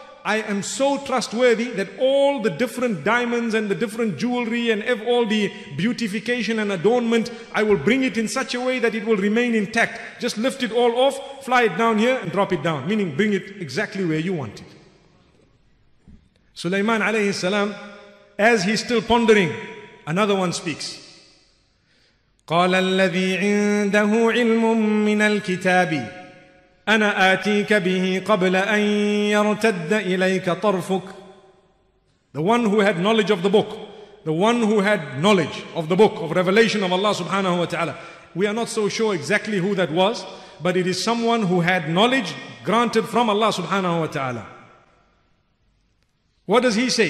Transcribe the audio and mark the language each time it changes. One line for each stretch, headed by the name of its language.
English: I am so trustworthy that all the different diamonds and the different jewelry and all the beautification and adornment, I will bring it in such a way that it will remain intact. Just lift it all off, fly it down here and drop it down. Meaning bring it exactly where you want it. Sulaiman alayhi salam, as he's still pondering, another one speaks.
Arabic: قَالَ الَّذِي عِنْدَهُ عِلْمٌ مِّنَ الْكِتَابِ أنا آتيك به قبل أن يرتد إليك طرفك.
English: The one who had knowledge of the book, the one who had knowledge of the book of revelation of Allah subhanahu wa ta'ala. We are not so sure exactly who that was, but it is someone who had knowledge granted from Allah subhanahu wa ta'ala. What does he say?